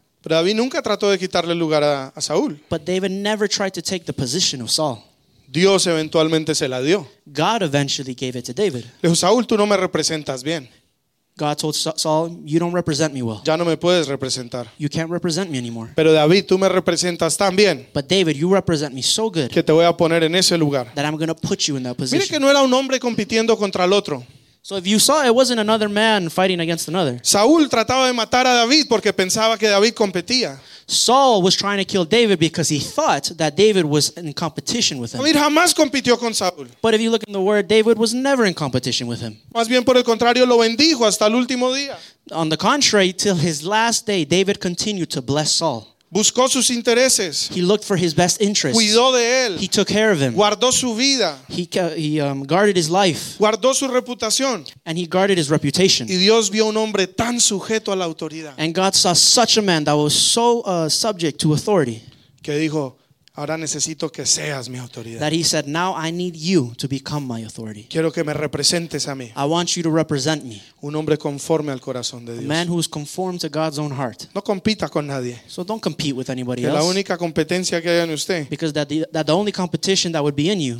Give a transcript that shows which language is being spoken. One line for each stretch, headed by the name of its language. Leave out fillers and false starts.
Spanish: Pero David nunca trató de quitarle el lugar a Saúl.
English: But David never tried to take the position of Saul.
Spanish: Dios eventualmente se la dio.
English: God eventually gave it to David.
Spanish: Le dijo, Saúl, tú no me representas bien.
English: God told Saul, you don't represent me well.
Spanish: Ya no me puedes representar.
English: You can't represent me anymore.
Spanish: Pero David, tú me representas tan bien.
English: But David, you represent me so good.
Spanish: Que te voy a poner en ese lugar.
English: That I'm going to put you in that position.
Spanish: Mire que no era un hombre compitiendo contra el otro.
English: So if you saw, it wasn't another man fighting against another.
Spanish: Saúl trataba de matar a David porque pensaba que David competía.
English: Saul was trying to kill David because he thought that David was in competition with him.
Spanish: David jamás compitió con Saúl.
English: But if you look in the word, David was never in competition with him.
Spanish: Más bien por el contrario, lo bendijo hasta el último día.
English: On the contrary, till his last day, David continued to bless Saul.
Spanish: Buscó sus intereses.
English: He looked for his best interests.
Spanish: Cuidó de él.
English: He took care of him.
Spanish: Guardó su vida.
English: He guarded his life.
Spanish: Guardó su reputación.
English: And he guarded his reputation.
Spanish: Y Dios vio un hombre tan sujeto a la autoridad.
English: And God saw such a man that was so subject to authority.
Spanish: Que dijo, ahora necesito que seas mi autoridad.
English: That he said, now I need you to become my authority.
Spanish: Quiero que me representes a mí.
English: I want you to represent me.
Spanish: Un hombre conforme al corazón de Dios.
English: A man who is conformed to God's own heart.
Spanish: No compita con nadie.
English: So don't compete with anybody
Spanish: que
English: else.
Spanish: La única competencia que hay en usted.
English: Because that the only competition that would be in you.